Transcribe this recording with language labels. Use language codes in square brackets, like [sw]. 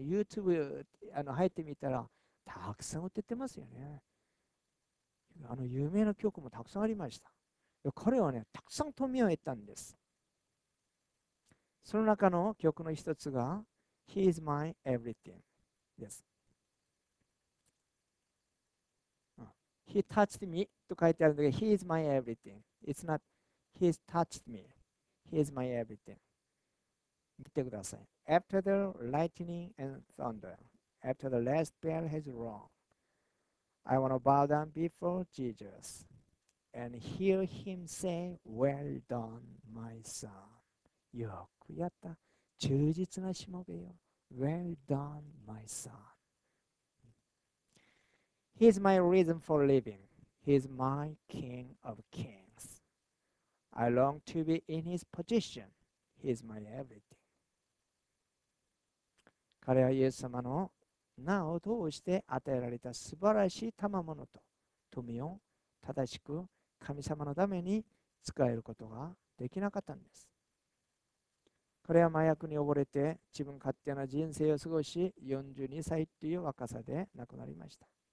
[ja] YouTube 入ってみたらたくさん歌ってますよね。有名な曲もたくさんありました。彼はね、たくさん富を得たんです。その中の曲の一つが He is my everything です。 [en] He touched me [ja] と書いてあるんだけど、 [en] He is my everything. It's not, He's touched me. He is my everything. [ja] 見てください。 [en] After the lightning and thunder, after the last bell has rung, I want to bow down before Jesus and hear him say, Well done, my son. [ja] よくやった。忠実なしもべよ。 [en] Well done, my son. He is my reason for living. He is my king of kings. I long to be in his position. He is my everything. [ja] 彼はイエス様の名を通して与えられた素晴らしい賜物と富を正しく神様のために使えることができなかったんです。彼は麻薬に溺れて自分勝手な人生を過ごし、42歳という若さで亡くなりました。